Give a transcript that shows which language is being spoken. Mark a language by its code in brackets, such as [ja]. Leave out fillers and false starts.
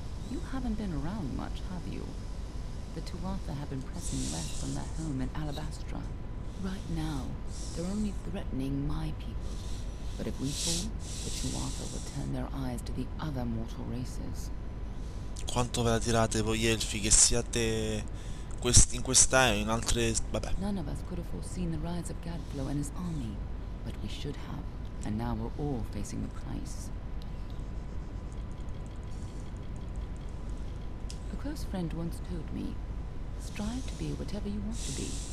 [en] You haven't been around much, have you? The Tuatha have been pressing west from their home in Alabastra. Right now, they're only threatening my people. But if we fall, the Tuatha will turn their eyes to the other mortal races. [it] Quanto ve la tirate voi elfi, che siate in questa o in altre... vabbè. [en] None of us could have foreseen the rise of Gadflo and his army, but we should have, and now we're all facing the price. A close friend once told me, strive to be whatever you want to be.